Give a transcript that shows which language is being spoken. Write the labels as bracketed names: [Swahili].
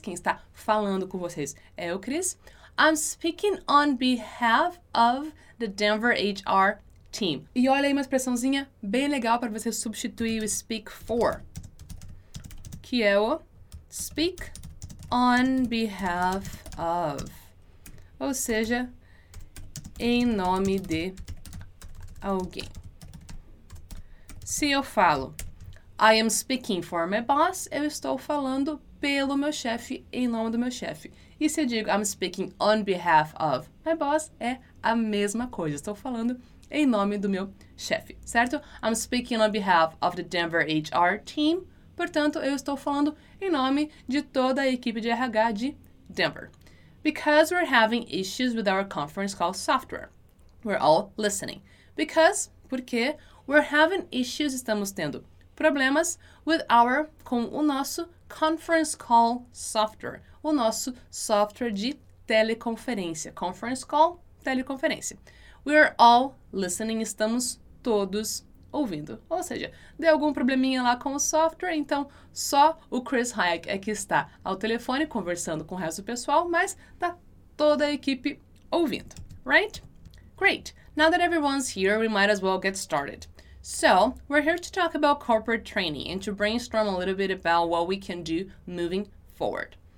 [Portuguese] Quem está falando com vocês é o Chris. [English] I'm speaking on behalf of the Denver HR team. [Portuguese] E olha aí uma expressãozinha bem legal para você substituir o speak for, que é o speak on behalf of. Ou seja, em nome de alguém. Se eu falo, [English] I am speaking for my boss, [Portuguese] eu estou falando pelo meu chefe, em nome do meu chefe. E se eu digo, [English] I'm speaking on behalf of my boss, [Portuguese] é a mesma coisa. Estou falando em nome do meu chefe, certo? [English] I'm speaking on behalf of the Denver HR team. [Portuguese] Portanto, eu estou falando em nome de toda a equipe de RH de Denver. [English] Because we're having issues with our conference call software. We're all listening. Because, [Portuguese] porque, [English] we're having issues, [Portuguese] estamos tendo problemas [English] with our, [Portuguese] com o nosso [English] conference call software, [Portuguese] o nosso software de teleconferência. [English] Conference call, teleconferência. We are all listening, [Portuguese] estamos todos ouvindo. Ou seja, deu algum probleminha lá com o software, então só o Chris Hayek é que está ao telefone conversando com o resto do pessoal, mas tá toda a equipe ouvindo, right? [English] Great, now that everyone's here, we might as well get started. So, we're here to talk about corporate training and to brainstorm a little bit about what we can do moving forward.